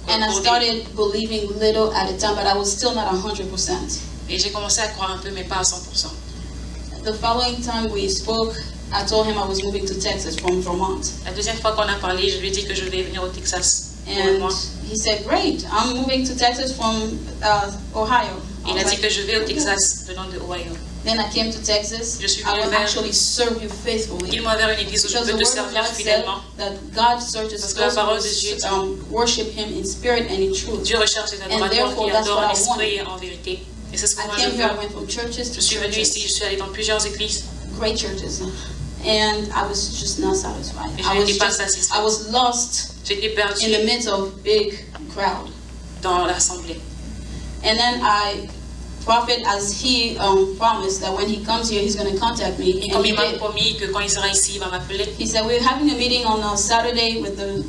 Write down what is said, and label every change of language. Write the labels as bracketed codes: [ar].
[en] And I started believing little at a time, but I was still not 100%. [fr] Et j'ai commencé à croire un peu, mais pas à 100%. [en] The following time we spoke, I told him I was moving to Texas from Vermont. [fr] La deuxième fois qu'on a parlé, je lui ai dit que je vais venir au Texas. [en] And he said, great, I'm moving to Texas from Ohio. [fr] Il a dit que je vais au Texas venant de Ohio. [en] Then I came to Texas. [fr] Je suis venu [en] I will actually serve you faithfully. [fr] Il m'a ouvert une église où je peux te servir fidèlement. [en] That God searches [fr] parce que la parole de Dieu dit, [en] worship him in spirit and in truth. [fr] Dieu recherche les adorateurs qui adorent en esprit et en vérité. Et c'est ce que moi je veux. Je suis venu ici, je suis allé dans plusieurs églises. [en] Great churches. And I was just not satisfied. [fr] Et je n'étais pas satisfait. [en] I was lost. [fr] J'étais perdu. [en] In the midst of big crowd. [fr] Dans l'assemblée. [en] And then I prophet as he promised that when he comes here he's going to contact me. [fr] Et comme il m'a promis que quand il sera ici il va m'appeler. [en] He said we're having a meeting on Saturday with the